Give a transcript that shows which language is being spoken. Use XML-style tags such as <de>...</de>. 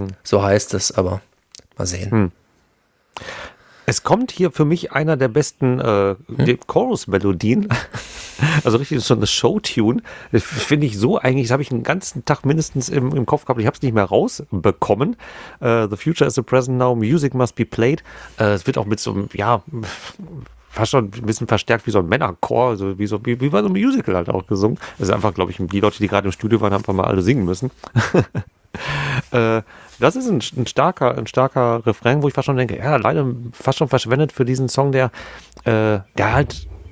<de>So heißt es, aber mal sehen. Es kommt hier für mich einer der besten Chorus-Melodien, also richtig so eine Show-Tune. Das finde ich so eigentlich, das habe ich einen ganzen Tag mindestens im Kopf gehabt. Ich habe es nicht mehr rausbekommen.</de> <en>The future is the present now, music must be played.</en> <de>Es wird auch mit so einem, ja, fast schon ein bisschen verstärkt wie so ein Männerchor, also wie bei so einem Musical halt auch gesungen. Das ist einfach, glaube ich, die Leute, die gerade im Studio waren, haben einfach mal alle singen müssen. das ist ein starker Refrain, wo ich fast schon denke, ja, leider fast schon verschwendet für diesen Song, der halt</de>